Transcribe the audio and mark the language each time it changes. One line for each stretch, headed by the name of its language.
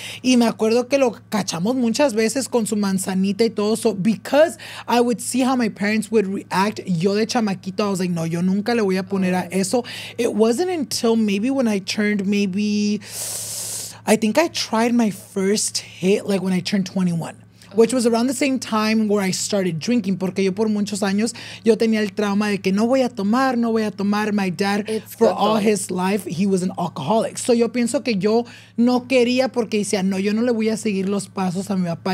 Spanish: Y me acuerdo que lo cachamos muchas veces con su manzanita y todo.
English: So because I would see how my parents would react,
Spanish: yo de chamaquito,
English: I was like,
Spanish: no, yo nunca le voy a poner a eso.
English: It wasn't until maybe when I turned maybe, I think I tried my first hit like when I turned 21. Which was around the same time where I started drinking.
Spanish: Porque yo por muchos años, yo tenía el trauma de que no voy a tomar.
English: My dad, all his life, he was an alcoholic.
Spanish: So yo pienso que yo no quería porque decía, no, yo no le voy a seguir los pasos a mi papá.